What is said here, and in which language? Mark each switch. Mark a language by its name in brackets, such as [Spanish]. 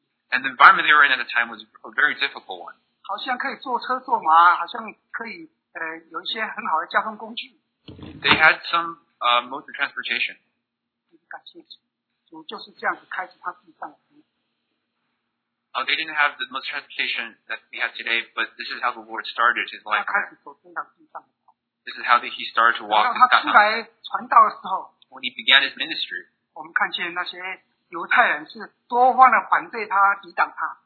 [English] And the environment they were in at the time was a very difficult one. [Chinese] 好像可以坐车坐马，好像可以有一些很好的交通工具。 [English] They had some modes of transportation. [Chinese] 感谢主，主就是这样子开始他地上的生命。 [English] They didn't have the modes of transportation that we have today, but this is how the Lord started his life. [Chinese] 他开始走天堂地上的道。 [English] This is how he started to walk. [Chinese] 当他出来传道的时候， [English] When he began his ministry, [Chinese] 我们看见那些犹太人是多方的反对他，抵挡他。